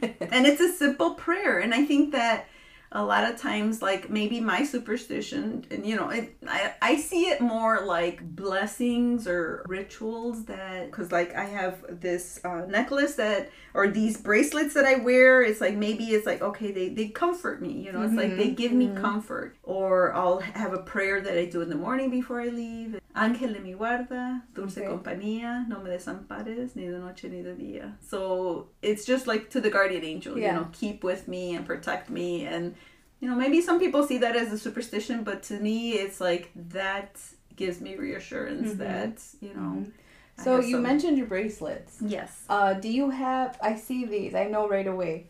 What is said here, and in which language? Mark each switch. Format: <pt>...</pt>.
<en>And it's a simple prayer. And I think that a lot of times, like, maybe my superstition, and, you know, I see it more like blessings or rituals that, because, like, I have this necklace that, or these bracelets that I wear. It's like, maybe it's like, okay, they comfort me, you know, it's like they give me comfort. Or I'll have a prayer that I do in the morning before I leave.</en> <es>Ángel de mi guarda, dulce compañía, no me desampares, ni de noche ni de día.</es> <en>So it's just like to the guardian angel, you know, keep with me and protect me. And, you know, maybe some people see that as a superstition, but to me, it's like that gives me reassurance that, you know. So you mentioned your bracelets. Yes. Do you have, I see these, I know right away.</en>